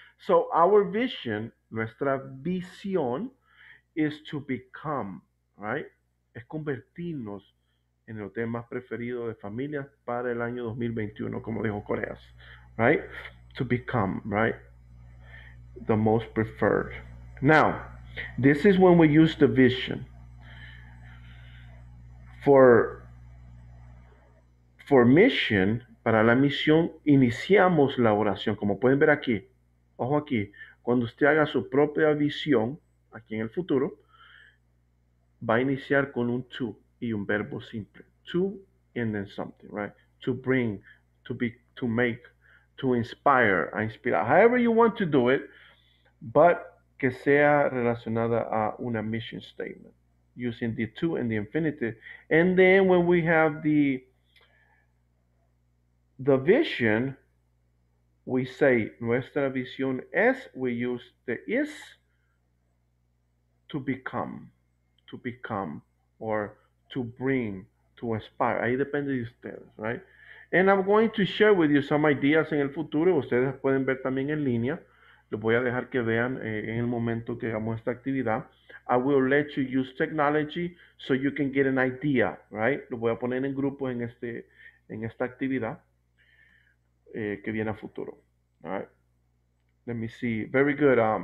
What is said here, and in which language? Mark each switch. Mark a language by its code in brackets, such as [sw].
[en] So our vision, [es] nuestra visión, [en] is to become, right? [es] Es convertirnos en el hotel más preferido de familias para el año 2021, como dijo Coreas, right? [en] To become, right? The most preferred. Now, this is when we use the vision for mission. [es] Para la misión iniciamos la oración, como pueden ver aquí. Ojo aquí, cuando usted haga su propia visión aquí en el futuro, va a iniciar con un to y un verbo simple. [en] To and then something, right? To bring, to be, to make, to inspire, [es] a inspirar. [en] However you want to do it, but [es] que sea relacionada a una [en] mission statement. Using the to and the infinitive. And then when we have the vision, we say, [es] nuestra visión es, [en] we use the is to become. To become or to bring, to aspire. [es] Ahí depende de ustedes, [en] right? And I'm going to share with you some ideas [es] en el futuro. Ustedes pueden ver también en línea. Les voy a dejar que vean en el momento que hagamos esta actividad. [en] I will let you use technology so you can get an idea, right? [es] Lo voy a poner en grupo en este, en esta actividad que viene a futuro, all right? [en] Let me see. Very good.